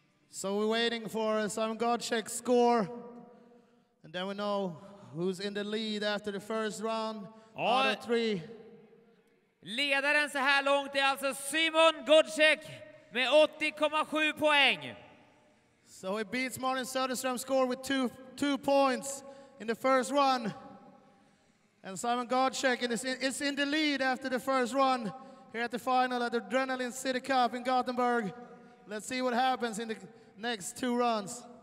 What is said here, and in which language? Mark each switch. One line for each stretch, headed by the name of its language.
English: So we're waiting for Simon Gottschalk's score. And then we know who's in the lead after the first round.
Swedish: Ja,
English: out of three.
Swedish: Ledaren så här långt är alltså Simon Gottschalk med 80,7 poäng.
English: So he beats Martin Söderström's score with two points in the first run. And Simon Gottschalk is in the lead after the first run here at the final at the Adrenaline City Cup in Gothenburg. Let's see what happens in the next two runs.